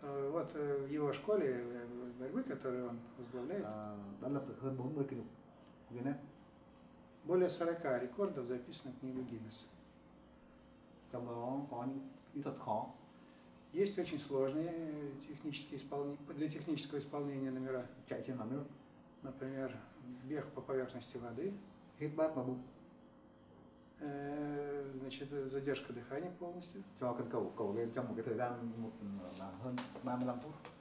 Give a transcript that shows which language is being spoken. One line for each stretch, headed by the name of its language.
Russian: Вот в его школе борьбы, которую он возглавляет,
Vietnamese: đã lập được hơn 40 kỷ lục Guinness.
Russian: Более 40 рекордов записано в книгу Гиннесса.
Vietnamese: Trong đó có những kỹ thuật khó.
Russian: Есть очень сложные технические для технического исполнения номера.
Vietnamese: Chạy trên mặt nước.
Russian: Например, бег по поверхности воды.
Vietnamese: Hít bát vào bụng.
Russian: Значит, задержка дыхания полностью.
Vietnamese: Cho cần cầu cầu lên trong một cái thời gian một là hơn 35 phút.